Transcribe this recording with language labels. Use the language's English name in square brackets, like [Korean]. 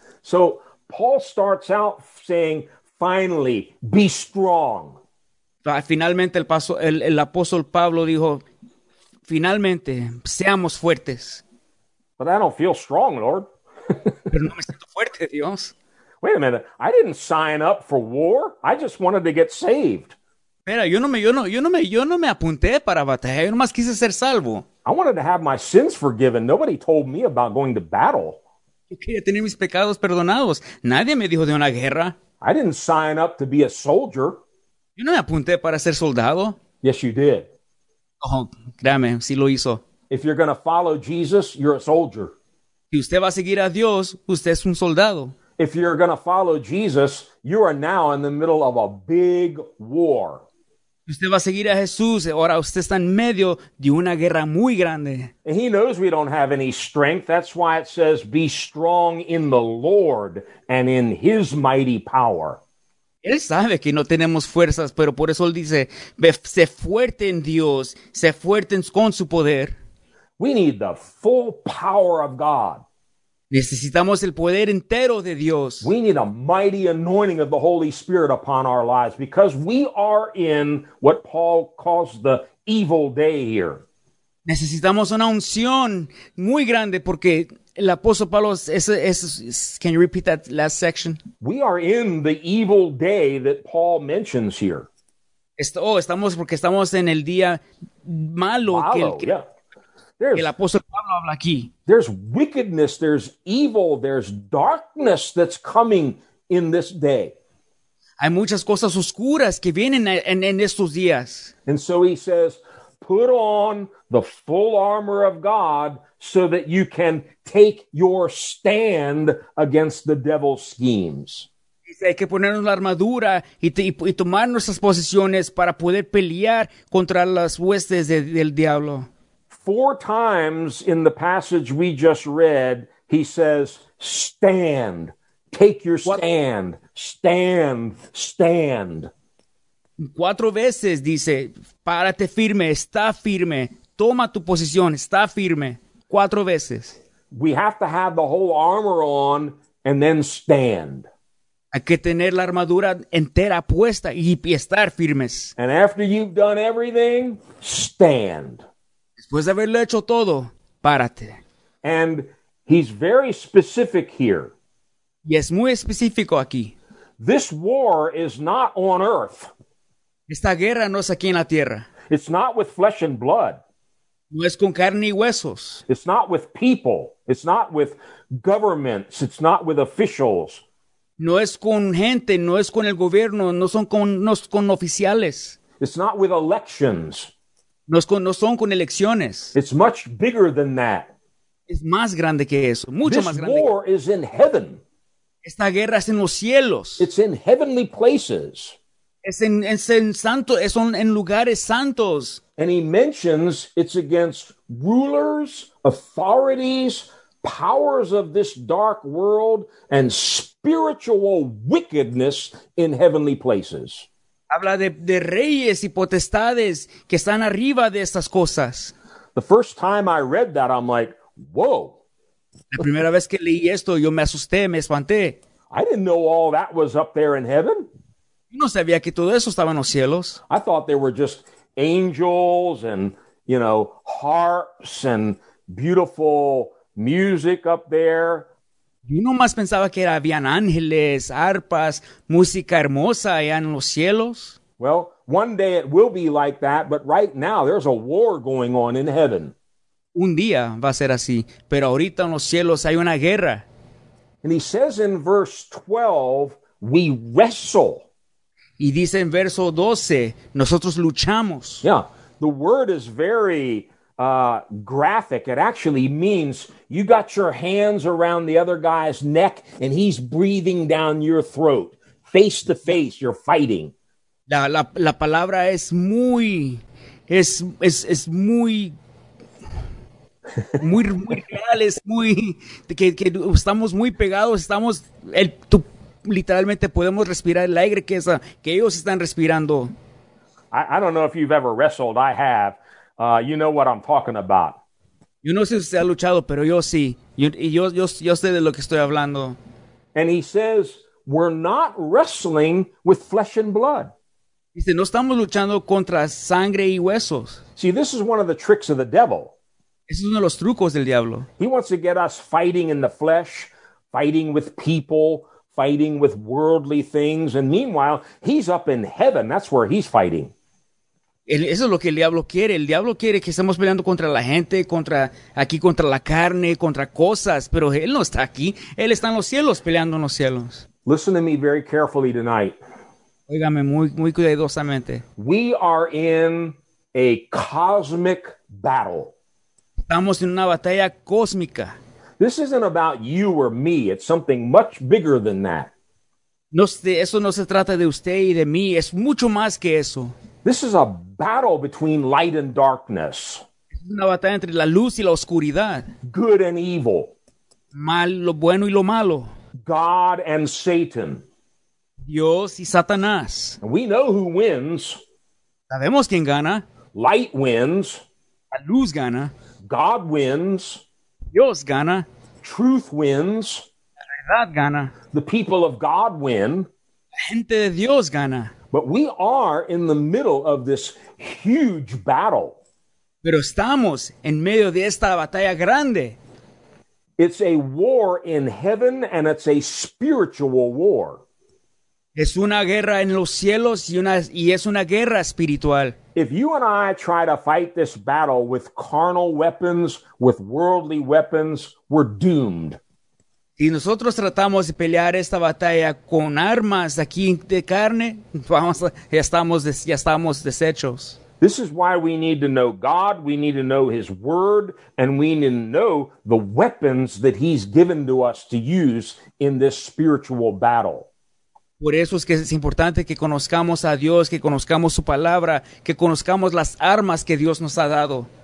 [English] So Paul starts out saying, finally, be strong. [Spanish] Finalmente el apóstol Pablo dijo, finalmente, seamos fuertes. [English] But I don't feel strong, Lord. [Spanish] Pero no me siento fuerte, Dios. [English] Wait a minute, I didn't sign up for war. I just wanted to get saved. [Spanish] Mira, yo no me apunté para batalla, yo nomás quise ser salvo. [English] I wanted to have my sins forgiven. Nobody told me about going to battle. [Spanish] Yo quería tener mis pecados perdonados. Nadie me dijo de una guerra. [English] I didn't sign up to be a soldier. [Spanish] Yo no me apunté para ser soldado. [English] Yes, you did. [Spanish] Oh, créame, sí lo hizo. [English] If you're going to follow Jesus, you're a soldier. [Spanish] Si usted va a seguir a Dios, usted es un soldado. [English] If you're going to follow Jesus, you are now in the middle of a big war. [Spanish] Usted va a seguir a Jesús, ahora usted está en medio de una guerra muy grande. [English] And he knows we don't have any strength. That's why it says, be strong in the Lord and in his mighty power. [Spanish] Él sabe que no tenemos fuerzas, pero por eso él dice, sé fuerte en Dios, sé fuerte con su poder. [English] We need the full power of God. [Spanish] Necesitamos el poder entero de Dios. [English] We need a mighty anointing of the Holy Spirit upon our lives, because we are in what Paul calls the evil day here. [Spanish] Necesitamos una unción muy grande porque el apóstol Pablo [English] can you repeat that last section? We are in the evil day that Paul mentions here. [Spanish] Estamos en el día malo. El apóstol Pablo habla aquí. [English] There's wickedness, there's evil, there's darkness that's coming in this day. [Spanish] Hay muchas cosas oscuras que vienen en estos días. [English] And so he says, put on the full armor of God so that you can take your stand against the devil's schemes. [Spanish] Dice, hay que ponernos la armadura y tomar nuestras posiciones para poder pelear contra las huestes del diablo. [English] Four times in the passage we just read, he says, stand, take your stand, stand, stand. [Spanish] Cuatro veces dice, párate firme, está firme, toma tu posición, está firme, cuatro veces. [English] We have to have the whole armor on and then stand. [Spanish] Hay que tener la armadura entera puesta y estar firmes. [English] And after you've done everything, stand. [Spanish] Después de haberlo hecho todo, párate. [English] And he's very specific here. [Spanish] Y es muy específico aquí. [English] This war is not on earth. [Spanish] Esta guerra no es aquí en la tierra. [English] It's not with flesh and blood. [Spanish] No es con carne y huesos. [English] It's not with people. It's not with governments. It's not with officials. [Spanish] No es con gente, no es con el gobierno, no son con, no es con oficiales. [English] It's not with elections. [Spanish] No es con, no son con elecciones. [English] It's much bigger than that. [Spanish] Es más grande que eso, mucho [English] this [Spanish] más grande. [English] This war is in heaven. [Spanish] Esta guerra es en los cielos. [English] It's in heavenly places. [Spanish] Es en lugares santos. [English] And he mentions it's against rulers, authorities, powers of this dark world, and spiritual wickedness in heavenly places. [Spanish] Habla de reyes y potestades que están arriba de estas cosas. [English] The first time I read that, I'm like, whoa. [Spanish] La primera vez que leí esto, yo me asusté, me espanté. [English] I didn't know all that was up there in heaven. [Spanish] No sabía que todo eso estaba en los cielos. [English] I thought there were just angels and, you know, harps and beautiful music up there. [Spanish] Yo nomás pensaba que habían ángeles, arpas, música hermosa allá en los cielos. [English] Well, one day it will be like that, but right now there's a war going on in heaven. [Spanish] Un día va a ser así, pero ahorita en los cielos hay una guerra. [English] And he says in verse 12, we wrestle. [Spanish] Y dice en verso 12, nosotros luchamos. [English] Yeah, the word is very graphic. It actually means you got your hands around the other guy's neck and he's breathing down your throat. Face to face, you're fighting. [Spanish] La palabra es muy, es muy... muy, muy real, es muy, que estamos muy pegados, estamos, literalmente podemos respirar el aire que ellos están respirando. [English] I don't know if you've ever wrestled, I have, you know what I'm talking about. [Spanish] Yo no sé si usted ha luchado, pero yo sí, yo sé de lo que estoy hablando. [English] And he says, we're not wrestling with flesh and blood. [Spanish] Dice, no estamos luchando contra sangre y huesos. [English] See, this is one of the tricks of the devil. [Spanish] Es uno de los trucos del diablo. [English] He wants to get us fighting in the flesh, fighting with people, fighting with worldly things. And meanwhile, he's up in heaven. That's where he's fighting. [Spanish] Eso es lo que el diablo quiere. El diablo quiere que estemos peleando contra la gente, contra aquí, contra la carne, contra cosas. Pero él no está aquí. Él está en los cielos, peleando en los cielos. [English] Listen to me very carefully tonight. [Spanish] Óigame muy, muy cuidadosamente. [English] We are in a cosmic battle. [Spanish] Estamos en una batalla cósmica. [English] This isn't about you or me. It's something much bigger than that. [Spanish] Eso no se trata de usted y de mí. Es mucho más que eso. [English] This is a battle between light and darkness. [Spanish] Es una batalla entre la luz y la oscuridad. [English] Good and evil. [Spanish] Mal, lo bueno y lo malo. [English] God and Satan. [Spanish] Dios y Satanás. [English] And we know who wins. [Spanish] Sabemos quién gana. [English] Light wins. [Spanish] La luz gana. [English] God wins. [Spanish] Dios gana. [English] Truth wins. [Spanish] La verdad gana. [English] The people of God win. [Spanish] La gente de Dios gana. [English] But we are in the middle of this huge battle. [Spanish] Pero estamos en medio de esta batalla grande. [English] It's a war in heaven and it's a spiritual war. [Spanish] Es una guerra en los cielos y es una guerra espiritual. [English] If you and I try to fight this battle with carnal weapons, with worldly weapons, we're doomed. [Spanish] Si nosotros tratamos de pelear esta batalla con armas aquí de carne, ya estamos deshechos. [English] This is why we need to know God, we need to know His Word, and we need to know the weapons that He's given to us to use in this spiritual battle. [Spanish] Por eso es que es importante que conozcamos a Dios, que conozcamos su palabra, que conozcamos las armas que Dios nos ha dado.